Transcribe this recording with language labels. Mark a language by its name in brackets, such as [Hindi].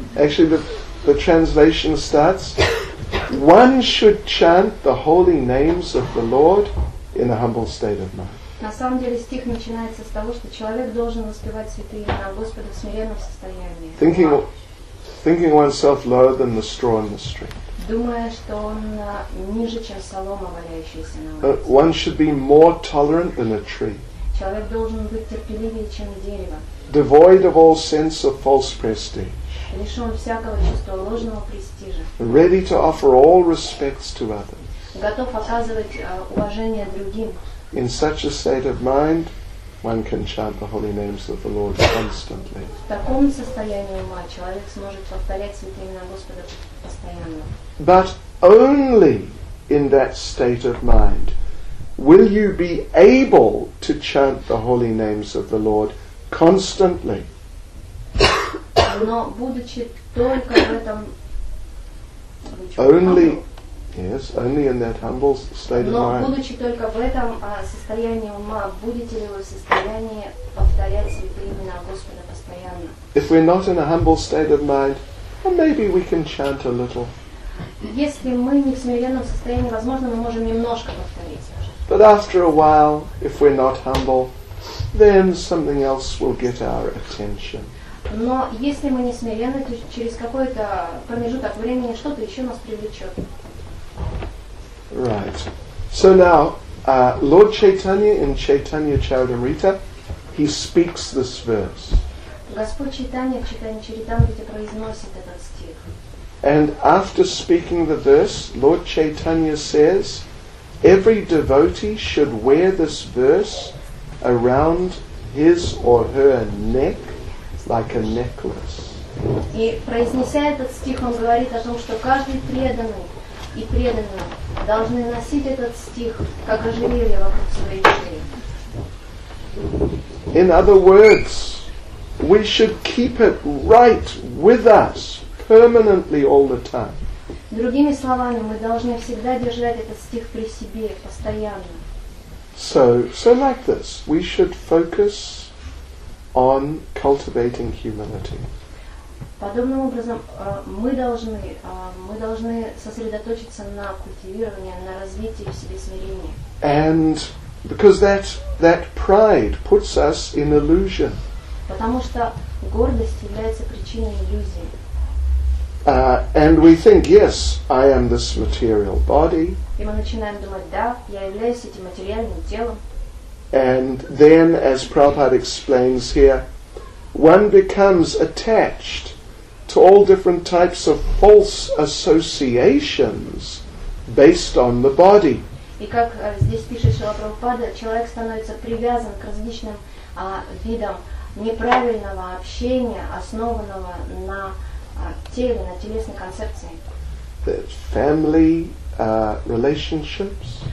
[English] Actually, the translation starts, one should chant the holy names of the Lord in a humble state of mind. [Russian] На самом деле стих начинается с того, что человек должен воспевать святые имена Господа в смиренном состоянии. [English] Thinking oneself lower than the straw in the street. [Russian] Думая, что он ниже, чем солома, валяющаяся на улице. [English] One should be more tolerant than a tree. [Russian] Человек должен быть терпеливее, чем дерево. [English] Devoid of all sense of false prestige. [Russian] Лишён всякого чувства ложного престижа. [English] Ready to offer all respects to others. [Russian] Готов оказывать уважение другим. [English] In such a state of mind, one can chant the holy names of the Lord constantly. [Russian] В таком состоянии ума человек сможет повторять святые имена Господа постоянно. [English] But only in that state of mind will you be able to chant the holy names of the Lord constantly. [Russian] Но будучи только в этом [English] only Yes, only in that humble state of mind. [Russian] Но будучи только в этом состоянии ума, будете ли вы в состоянии повторять святые имена Господа постоянно? [English] If we're not in a humble state of mind, well, maybe we can chant a little. [Russian] Если мы не в смиренном состоянии, возможно, мы можем немножко повторить. [English] But after a while, if we're not humble, then something else will get our attention. [Russian] Но если мы не смиренны, то через какой-то промежуток времени что-то еще нас привлечет. [English] Right. So now, Lord Chaitanya in Chaitanya Charitamrita, he speaks this verse. [Russian] Господь Чайтанья в Чайтанья Чаритамрите произносит этот стих. [English] And after speaking the verse, Lord Chaitanya says, every devotee should wear this verse around his or her neck like a necklace. [Russian] И произнеся этот стих, он говорит о том, что каждый преданный и преданные должны носить этот стих как ожерелье вокруг своей шеи. [English] In other words, we should keep it right with us permanently all the time. [Russian] Другими словами, мы должны всегда держать этот стих при себе постоянно. [English] So like this, we should focus on cultivating humility. [Russian] Подобным образом мы должны сосредоточиться на культивировании, на развитии в себе смирения. [English] And because that pride puts us in illusion. [Russian] Потому что гордость является причиной иллюзии. [English] And we think, yes, I am this material body. [Russian] И мы начинаем думать, да, я являюсь этим материальным телом. [English] And then, as Prabhupada explains here, one becomes attached to all different types of false associations based on the body. [Russian] И как здесь пишет Шрила Прабхупада, человек становится привязан к различным видам неправильного общения, основанного на теле, на телесной концепции. [English] Family relationships.